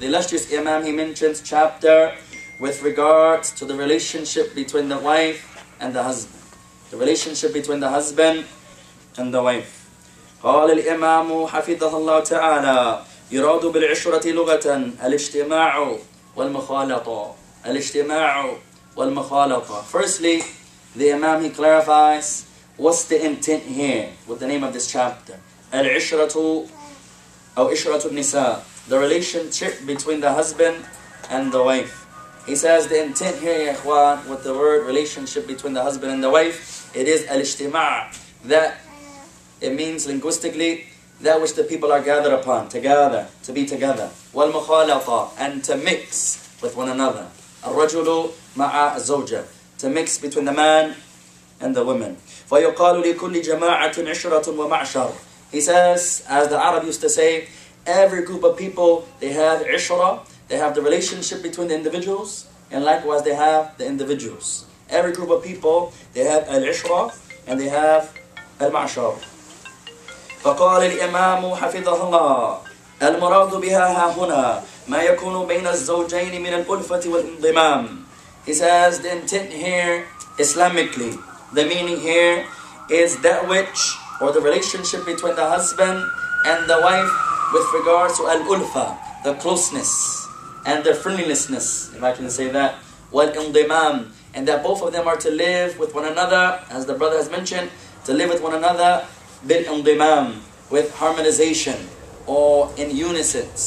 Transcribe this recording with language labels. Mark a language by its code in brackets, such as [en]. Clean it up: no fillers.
[en] The illustrious Imam, he mentions chapter with regards to the relationship between the wife and the husband. The relationship between the husband and the wife. [ar] قال الإمام حفظه الله تعالى يراد بالعشرة لغة الاجتماع والمخالطة. Al-ijtima'u wal-makhalata. [en] Firstly, the Imam, he clarifies, what's the intent here with the name of this chapter? Al-ishratu, or ishratu nisa, the relationship between the husband and the wife. He says the intent here, ya ikhwan, with the word relationship between the husband and the wife, it is al-ijtima'u. That, it means linguistically, that which the people are gathered upon, together, to be together. Wal-makhalata, and to mix with one another. [ar] الرجل مع الزوجة, [en] to mix between the man and the woman. [ar] فيقال لكل جماعة عشرة ومعشر. [en] He says, as the Arab used to say, every group of people, they have عشرة, they have the relationship between the individuals, and likewise they have the individuals. Every group of people, they have العشرة and they have المعشر. [ar] فقال الإمام حفظه الله المراد بها ها هنا ما يكون بين الزوجين من الألفة والانضمام. [en] He says the intent here, Islamically, the meaning here is that which, or the relationship between the husband and the wife with regards to al-ulfa, the closeness and the friendliness, if I can say that, wal-indimam, and that both of them are to live with one another, as the brother has mentioned, to live with one another, bil-indimam, with harmonization, or in unison.